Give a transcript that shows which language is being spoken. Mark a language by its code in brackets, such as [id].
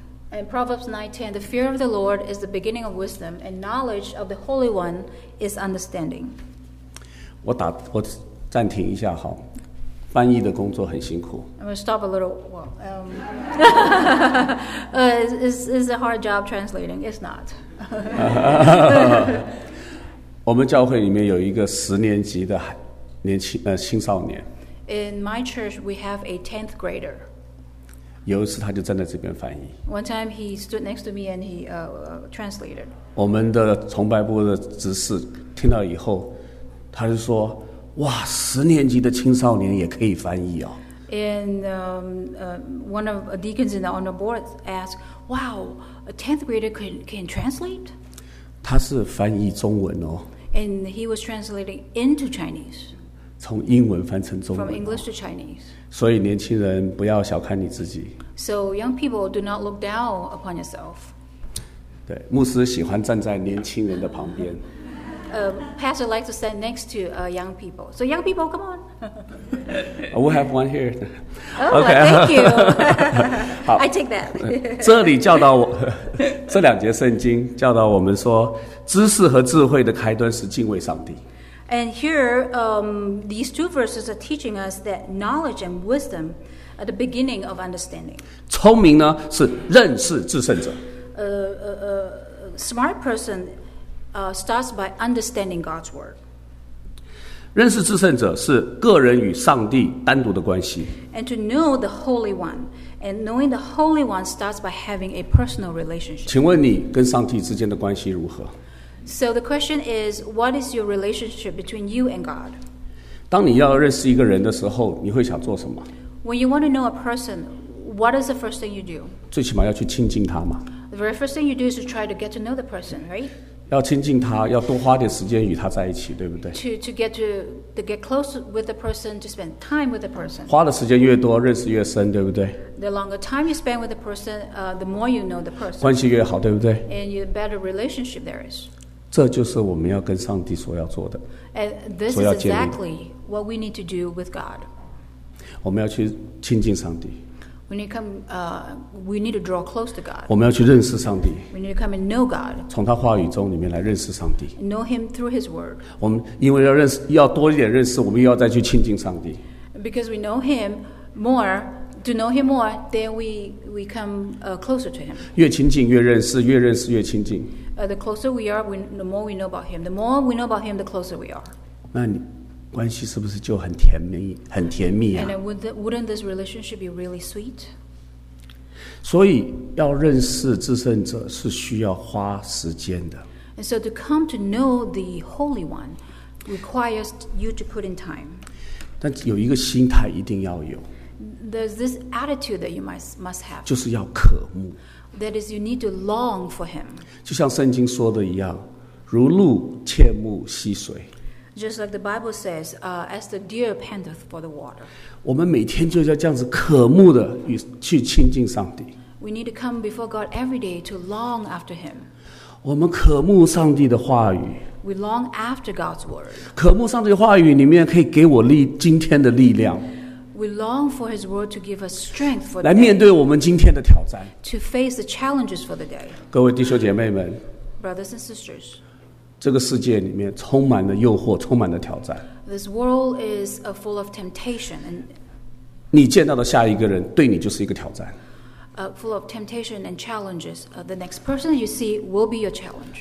[en] And Proverbs 9:10, the fear of the Lord is the beginning of wisdom, and knowledge of the Holy One is understanding. [zh] 我暂停一下哈，翻译的工作很辛苦。 [en] I'm going to stop a little. Well, is a hard job translating? It's not. [zh] 我们教会里面有一个十年级的青少年。 [en] In my church, we have a 10th grader. [zh] 有一次他就站在这边翻译。 [en] One time he stood next to me and he translated. [zh] 我们的崇拜部的执事听到以后，他就说：“哇，十年级的青少年也可以翻译哦。 [en] ”And one of the deacons in the honor board asked, "Wow, a tenth grader can translate?" [zh] 他是翻译中文哦。 [en] And he was translating into Chinese. [zh] 从英文翻成中文、哦。 [en] From English to Chinese. [zh] 所以年轻人不要小看你自己。 [en] So young people do not look down upon yourself. [zh] 对，牧师喜欢站在年轻人的旁边。 [en] Pastor likes to stand next to young people. So young people, come on. We have one here. Oh, okay. Thank you. I take that. [zh] 这里教导我，这两节圣经教导我们说，知识和智慧的开端是敬畏上帝。 [en] And here, these two verses are teaching us that knowledge and wisdom are the beginning of understanding. [zh] 聪明呢是认识至圣者。 [en] Smart person starts by understanding God's word. [zh] 认识至圣者是个人与上帝单独的关系。 [en] And to know the Holy One, and knowing the Holy One starts by having a personal relationship. [zh] 请问你跟上帝之间的关系如何？ [en] So the question is, what is your relationship between you and God? [zh] 当你要认识一个人的时候，你会想做什么？ [en] When you want to know a person, what is the first thing you do? [zh] 最起码要去亲近他嘛。 [en] The very first thing you do is to try to get to know the person, right? [zh] 要亲近他，要多花点时间与他在一起，对不对？ [en] To get close with the person, to spend time with the person. [zh] 花的时间越多，认识越深，对不对？ [en] The longer time you spend with the person, the more you know the person. [zh] 关系越好，对不对？ [en] And the better relationship there is. [zh] 这就是我们要跟上帝所要做的。 [en] And this is exactly what we need to do with God. [zh] 我们要去亲近上帝。 [en] We need to draw close to God. [zh] 我们要去认识上帝。 [en] We need to come and know God. [zh] 从他话语中里面来认识上帝。 [en] Know him through his word. [zh] 我们因为要认识，要多一点认识，我们又要再去亲近上帝。 [en] Because we know him, more, to know him more, then we come closer to him. [zh] 越亲近越认识，越认识越亲近。 [en] The closer we are, the more we know about him. The more we know about him, the closer we are. [zh] 那你关系是不是就很甜蜜，很甜蜜啊？ [en] And wouldn't this relationship be really sweet? [zh] 所以要认识至圣者是需要花时间的。 [en] And so to come to know the Holy One requires you to put in time. [zh] 但有一个心态一定要有。 [en] There's this attitude that you must have. [zh] 就是要渴慕。 [en] That is, you need to long for him. [zh] 就像圣经说的一样，如鹿切慕溪水。 [en] Just like the Bible says, as the deer panteth for the water. [zh] 我们每天就要这样子渴慕的去亲近上帝。 [en] We need to come before God every day to long after him. [zh] 我们渴慕上帝的话语。 [en] We long after God's word. [zh] 渴慕上帝的话语里面可以给我今天的力量。 [en] We long for his word to give us strength for the day. [zh] 来面对我们今天的挑战。 [en] To face the challenges for the day. [zh] 各位弟兄姐妹们。 [en] Brothers and sisters. [zh] 这个世界里面充满了诱惑，充满了挑战。 [en] This world is full of temptation. [zh] 你见到的下一个人对你就是一个挑战。 [en] Full of temptation and challenges. The next person you see will be your challenge.